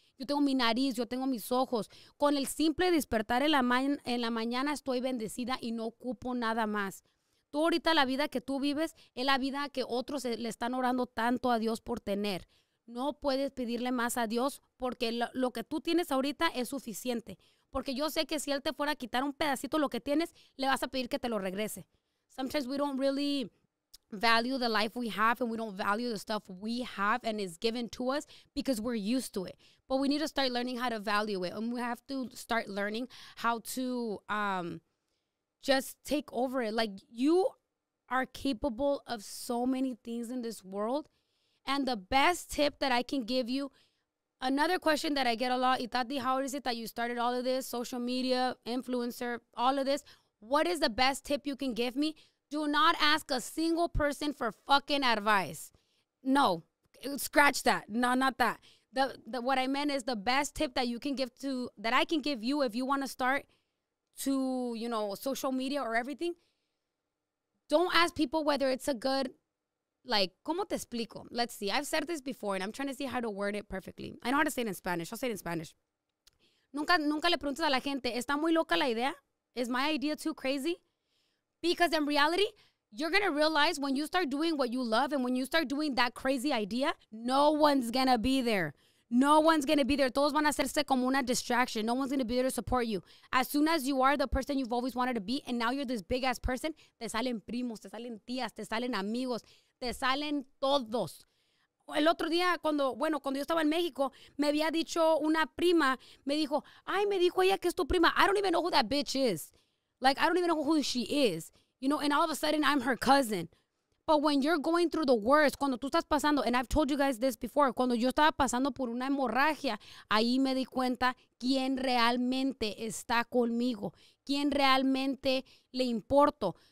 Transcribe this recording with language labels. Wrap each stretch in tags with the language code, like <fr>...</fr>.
<es>Yo tengo mi nariz, yo tengo mis ojos. Con el simple despertar en la mañana estoy bendecida y no ocupo nada más. Tú ahorita la vida que tú vives es la vida que otros le están orando tanto a Dios por tener. No puedes pedirle más a Dios porque lo que tú tienes ahorita es suficiente. Porque yo sé que si Él te fuera a quitar un pedacito lo que tienes, le vas a pedir que te lo regrese.</es> <en>Sometimes we don't really value the life we have and we don't value the stuff we have and is given to us because we're used to it. But we need to start learning how to value it. And we have to start learning how to just take over it. Like, you are capable of so many things in this world. And the best tip that I can give you, another question that I get a lot, Itati, how is it that you started all of this, social media, influencer, all of this? What is the best tip you can give me? Do not ask a single person for fucking advice. No, scratch that. No, not that. The what I meant is the best tip that you can give to, that I can give you if you want to start to, you know, social media or everything. Don't ask people whether it's a good, like,</en> <es>¿cómo te explico?</es> <en>Let's see. I've said this before and I'm trying to see how to word it perfectly. I know how to say it in Spanish. I'll say it in Spanish.</en> <es>Nunca le preguntes a la gente, ¿está muy loca la idea?</es> <en>Is my idea too crazy? Because in reality, you're going to realize when you start doing what you love and when you start doing that crazy idea, no one's going to be there. No one's going to be there.</en> <es>Todos van a hacerse como una</es> <en>distraction. No one's going to be there to support you. As soon as you are the person you've always wanted to be, and now you're this big-ass person,</en> <es>te salen primos, te salen tías, te salen amigos, te salen todos. El otro día, cuando yo estaba en México, me había dicho una prima, me dijo, ay, me dijo ella que es tu prima.</es> <en>I don't even know who that bitch is. Like, I don't even know who she is, you know, and all of a sudden, I'm her cousin. But when you're going through the worst,</en> <es>cuando tú estás pasando,</es> <en>and I've told you guys this before,</en> <es>cuando yo estaba pasando por una hemorragia, ahí me di cuenta quién realmente está conmigo, quién realmente le importo.</es>